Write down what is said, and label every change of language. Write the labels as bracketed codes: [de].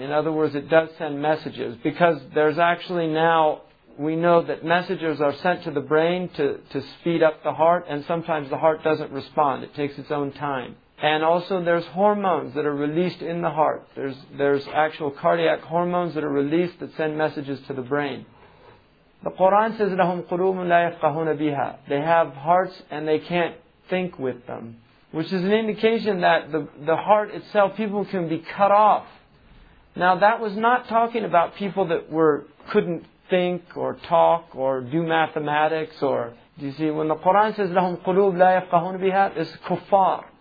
[en] In other words, it does send messages. Because there's actually now, we know that messages are sent to the brain to speed up the heart, and sometimes the heart doesn't respond. It takes its own time. And also, there's hormones that are released in the heart. There's actual cardiac hormones that are released that send messages to the brain. The Quran says, [ar] لَهُمْ قُلُوبٌ لَا يَفْقَهُونَ بِهَا. [en] They have hearts and they can't think with them, which is an indication that the heart itself, people can be cut off. Now, that was not talking about people that couldn't think or talk or do mathematics or... Do you see, when the Quran says, [ar] لَهُمْ قُلُوبٌ لَا يَفْقَهُونَ بِهَا, [en] it's kuffar.